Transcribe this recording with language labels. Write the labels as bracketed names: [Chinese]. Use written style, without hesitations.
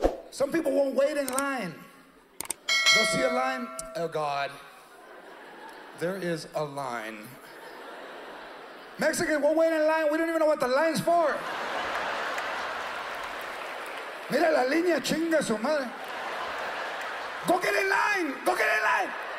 [English] Some people won't wait in line. They'll see a line. Oh God, there is a line. Mexicans won't wait in line. We don't even know what the line's for. [Spanish] Mira la línea, chinga su madre. [English] Go get in line, go get in line.